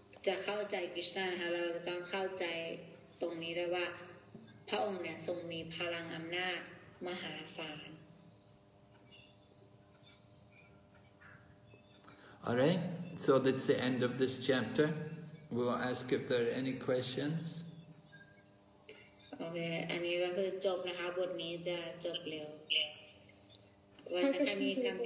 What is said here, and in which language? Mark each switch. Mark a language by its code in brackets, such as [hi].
[th] จะเข้าใจกฤษณะนะคะเราต้องเข้าใจตรงนี้ด้วยว่าพระองค์เนี่ยทรงมีพลังอำนาจมหาศาล [en] All right so that's the end of this chapter we will ask if there are any questions [th] โอเคอันนี้ก็คือจบนะคะบทนี้จะจบเร็วว่าจะมีคำ